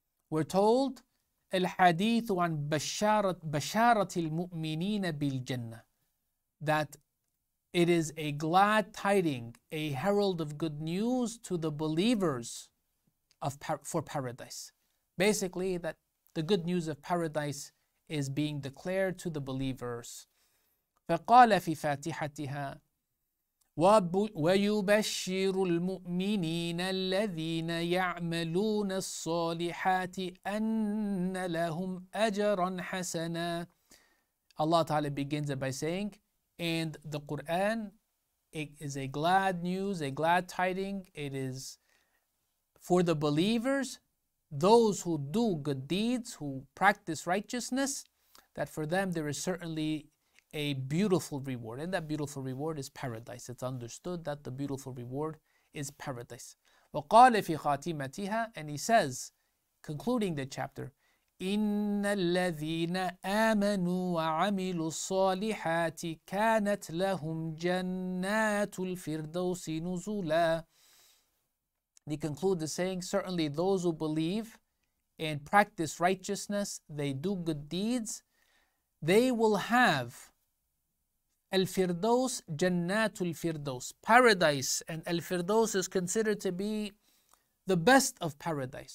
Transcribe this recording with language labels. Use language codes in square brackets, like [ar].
[en] We're told, [ar] الحديث عن بشارة المؤمنين بالجنة, [en] that it is a glad tiding, a herald of good news to the believers for paradise. Basically, that the good news of paradise is being declared to the believers. [ar] فقال في فاتحتها ويبشر المؤمنين الذين يعملون الصالحات أن لهم أجرا حسنا. [en] Allah Ta'ala begins it by saying, and the Quran, it is a glad news, a glad tiding. It is for the believers, those who do good deeds, who practice righteousness, that for them there is certainly a beautiful reward. And that beautiful reward is paradise. It's understood that the beautiful reward is paradise. [ar] وَقَالَ فِي خَاتِمَتِهَا, [en] and he says, concluding the chapter, [ar] إِنَّ الَّذِينَ آمَنُوا وَعَمِلُوا الصَّالِحَاتِ كَانَتْ لَهُمْ جَنَّاتُ الْفِرْدَوْسِ نُزُولًا. [en] He concludes the saying, certainly those who believe and practice righteousness, they do good deeds, they will have Al-Firdaus, Jannatul Firdaus, paradise. And Al-Firdaus is considered to be the best of paradise.